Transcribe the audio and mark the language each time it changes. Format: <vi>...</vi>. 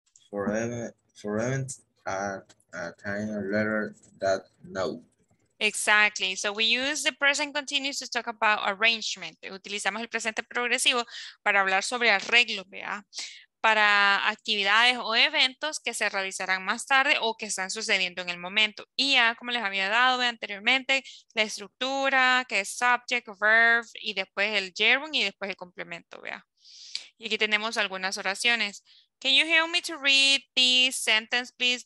<en>For events at a time later that now. Exactly. So we use the present continuous to talk about arrangement.</en> <es>Utilizamos el presente progresivo para hablar sobre arreglos, ¿vea? Para actividades o eventos que se realizarán más tarde o que están sucediendo en el momento. Y ya, como les había dado anteriormente, la estructura, que es subject, verb, y después el gerund y después el complemento, ¿vea? Y aquí tenemos algunas oraciones.</es> <en>Can you help me to read this sentence, please?</en>